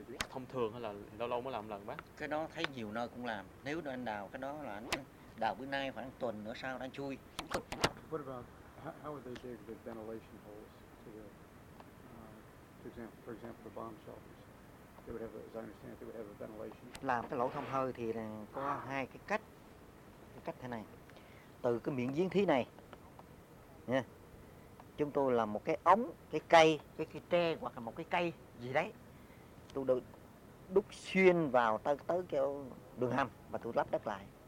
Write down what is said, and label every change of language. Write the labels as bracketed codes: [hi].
[vi] Thông thường hay là lâu lâu mới làm lần bác? Cái đó thấy nhiều nơi cũng làm. Nếu anh đào cái đó là anh đào bữa nay khoảng tuần nữa sau anh chui. [en] What about how would they dig the ventilation holes to the, for example the bomb shelters? They would have, as I understand, they would have a ventilation. [vi] Làm cái lỗ thông hơi thì có hai cái cách. Cái cách thế này, từ cái miệng giếng thí này, nha. Chúng tôi làm một cái ống, cái cây, cái tre hoặc là một cái cây gì đấy. Tôi được đúc xuyên vào tới cái đường hầm và tôi lắp đất lại.